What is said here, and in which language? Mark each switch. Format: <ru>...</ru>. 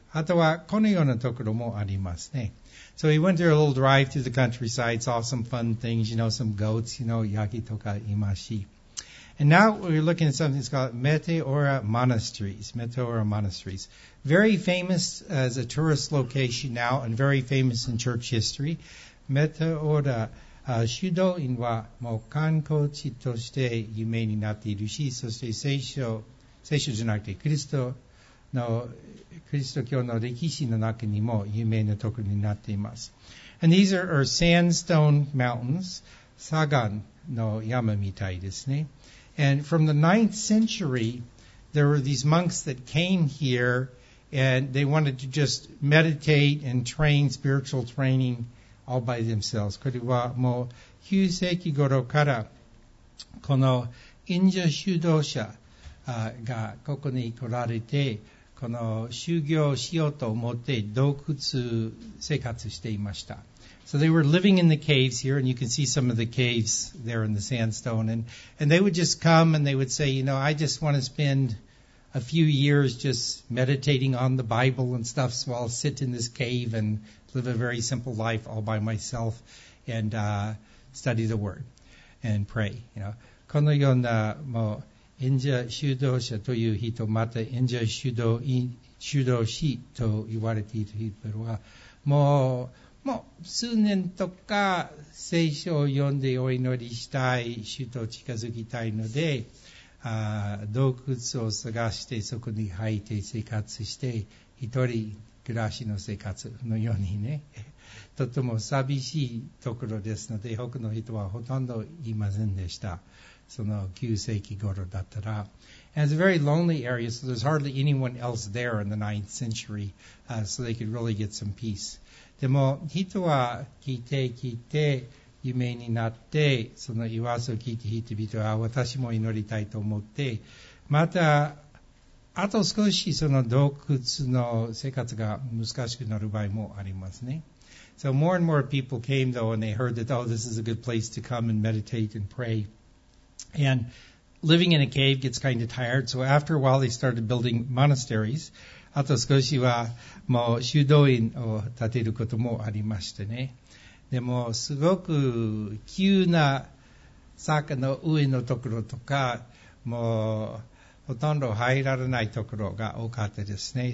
<ja>あとはこのようなところもありますね。</ja> <en>So we went through a little drive through the countryside, saw some fun things, you know, some goats, you know,</en> <ja>ヤギとかいまし。</ja> <en>And now we're looking at something that's called Meteora Monasteries. Meteora Monasteries. Very famous as a tourist location now and very famous in church history.</en> <ja>Meteora 修道院はもう観光地として有名になっているし、そして聖書じゃなくてクリスト教の歴史の中にも有名なところになっています。</ja> <en>And these are sandstone mountains,</en> <ja>砂岩の山みたいですね。</ja> <en>And from the 9th century, there were these monks that came here and they wanted to just meditate and train spiritual training all by themselves.</en> <ja>これはもう9世紀頃からこの隠者修道者がここに来られて、この修行しようと思って洞窟生活していました。</ja> <en>So they were living in the caves here, and you can see some of the caves there in the sandstone. And they would just come and they would say, you know, I just want to spend a few years just meditating on the Bible and stuff, so I'll sit in this cave and live a very simple life all by myself and study the Word and pray. You know,</en> <ja>このようなもう隠者修道者という人、また隠者修道士と言われている人は、もう数年とか聖書を読んでお祈りしたい、主と近づきたいので、洞窟を探してそこに入って生活して、一人暮らしの生活のようにね、とても寂しいところですので、多くの人はほとんどいませんでした。その9世紀頃だったら。</ja> <en>And it's a very lonely area, so there's hardly anyone else there in the 9th century, so they could really get some peace.</en> <ja>でも人は聞いて有名になってその噂を聞いて人々は私も祈りたいと思ってまたあと少しその洞窟の生活が難しくなる場合もありますね。</ja> <en>So more and more people came though and they heard that oh this is a good place to come and meditate and pray. And living in a cave gets kind of tired so after a while they started building monasteries.</en> <ja>あと少しはもう修道院を建てることもありましてね。でもすごく急な坂の上のところとか、もうほとんど入られないところが多かったですね。</ja>